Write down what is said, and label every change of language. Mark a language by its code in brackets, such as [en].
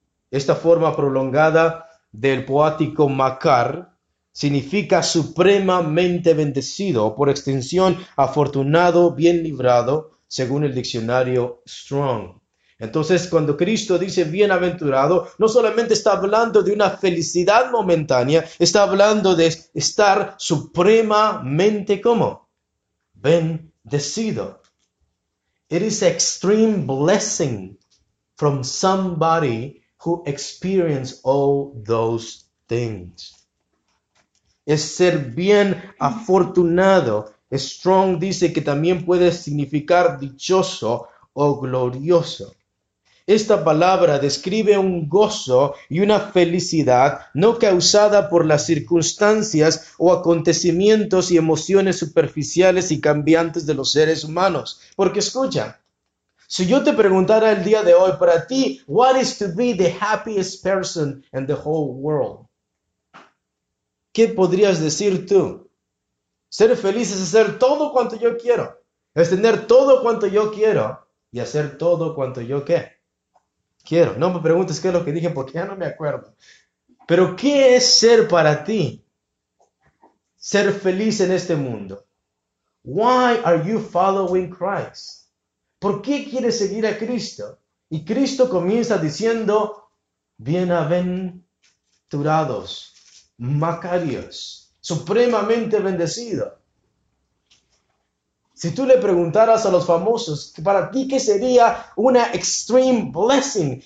[es] Esta forma prolongada del poético makar significa supremamente bendecido o por extensión afortunado, bien librado, según el diccionario Strong. Entonces, cuando Cristo dice bienaventurado, no solamente está hablando de una felicidad momentánea, está hablando de estar supremamente ¿cómo? Bendecido. [en] It is extreme blessing from somebody who experienced all those things. [es] Es ser bien afortunado. Strong dice que también puede significar dichoso o glorioso. Esta palabra describe un gozo y una felicidad no causada por las circunstancias o acontecimientos y emociones superficiales y cambiantes de los seres humanos. Porque escucha, si yo te preguntara el día de hoy para ti, [en] what is to be the happiest person in the whole world? [es] ¿Qué podrías decir tú? Ser feliz es hacer todo cuanto yo quiero, es tener todo cuanto yo quiero y hacer todo cuanto yo quiero. Quiero, no me preguntes qué es lo que dije porque ya no me acuerdo. Pero ¿qué es ser para ti? Ser feliz en este mundo. [en] Why are you following Christ? [es] ¿Por qué quieres seguir a Cristo? Y Cristo comienza diciendo bienaventurados, makarios, supremamente bendecido. Si tú le preguntaras a los famosos, para ti, ¿qué sería una [en] extreme blessing?